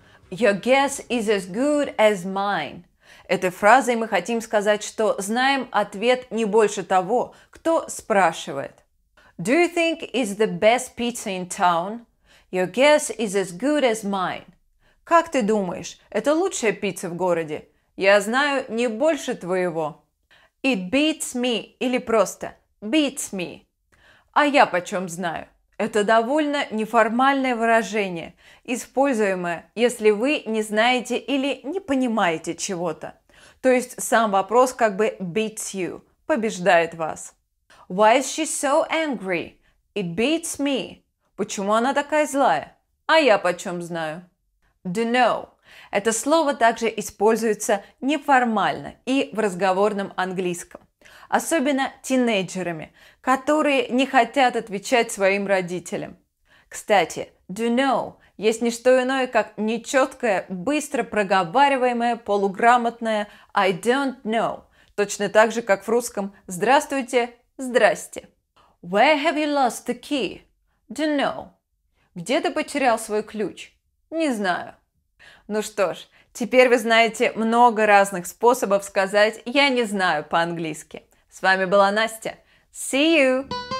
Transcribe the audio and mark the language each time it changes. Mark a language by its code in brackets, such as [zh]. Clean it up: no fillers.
[en] Your guess is as good as mine. [ru] Этой фразой мы хотим сказать, что знаем ответ не больше того, кто спрашивает. [en] Do you think is the best pizza in town? Your guess is as good as mine. [ru] Как ты думаешь, это лучшая пицца в городе? Я знаю не больше твоего. [en] It beats me, [ru] или просто [en] beats me. [ru] А я почем знаю? Это довольно неформальное выражение, используемое, если вы не знаете или не понимаете чего-то. То есть сам вопрос как бы [en] beats you, [ru] побеждает вас. [en] Why is she so angry? It beats me. [ru] Почему она такая злая? А я почем знаю? [en] Do know. [ru] Это слово также используется неформально и в разговорном английском. Особенно тинейджерами, которые не хотят отвечать своим родителям. Кстати, [en] do know [ru] есть не что иное, как нечеткое, быстро проговариваемое, полуграмотное [en] I don't know. [ru] Точно так же, как в русском «здравствуйте», «здрасте». [en] Where have you lost the key? Do know. [ru] Где ты потерял свой ключ? Не знаю. Ну что ж, теперь вы знаете много разных способов сказать «я не знаю» по-английски. С вами была Настя. [en] See you!